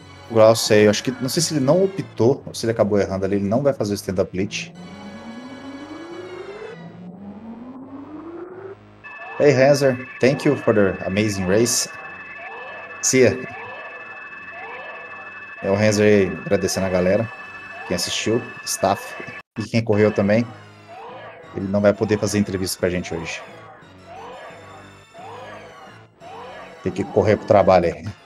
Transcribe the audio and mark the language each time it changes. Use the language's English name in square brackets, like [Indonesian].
[Portuguese] O Glaucio, eu acho que, não sei se ele não optou, ou se ele acabou errando ali, ele não vai fazer o Stand Up Bleach. [English] Hey, Hanser, thank you for the amazing race. See ya. [Portuguese] É o Hanser aí, agradecendo a galera, quem assistiu, staff, e quem correu também. Ele não vai poder fazer entrevista com a gente hoje. Tem que correr pro trabalho aí.